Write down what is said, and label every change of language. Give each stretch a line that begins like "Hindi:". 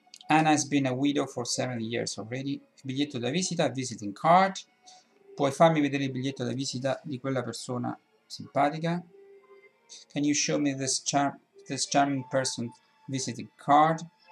English: Anna has been a widow for 7 years already.
Italian: Il biglietto da visita, visiting card. Puoi farmi vedere il biglietto da visita di quella persona simpatica?
English: Can you show me this charming person's visiting card?